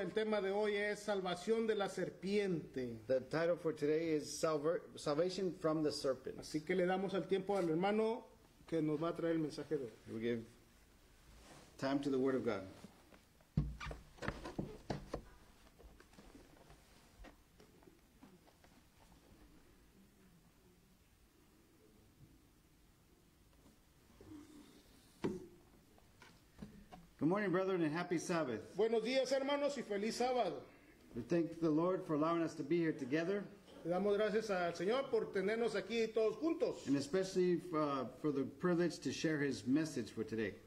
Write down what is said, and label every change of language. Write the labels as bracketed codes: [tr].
[es] El tema de hoy es salvación de la serpiente. [en] The title for today is salvation from the serpent. [es] Así que le damos el tiempo al hermano que nos va a traer el mensaje de hoy. [en] We give time to the word of God. Good morning, brethren, and happy Sabbath. [es] Buenos días, hermanos, y feliz sábado. [en] We thank the Lord for allowing us to be here together. [es] Le damos gracias al Señor por tenernos aquí todos juntos. [en] And especially for the privilege to share His message for today.